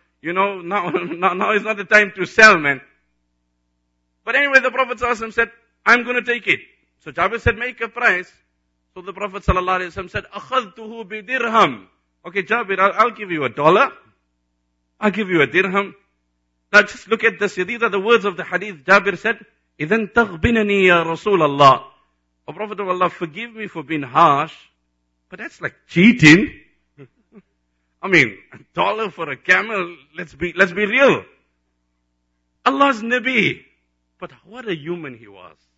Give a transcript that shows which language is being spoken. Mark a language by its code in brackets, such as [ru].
[en] You know, now is not the time to sell, man. But anyway, the Prophet said, I'm going to take it. So Jabir said, make a price. So the Prophet said, [ar] أَخَذْتُهُ بِدِرْهَمْ. [en] Okay, Jabir, I'll give you a dollar. I'll give you a dirham. Now just look at this. These are the words of the hadith. Jabir said, [ar] إِذَنْ تَغْبِنَنِي يَا رَسُولَ اللَّهِ. [en] O Prophet of Allah, forgive me for being harsh. But that's like cheating. I mean, a dollar for a camel, let's be real. Allah's Nabi. But what a human he was.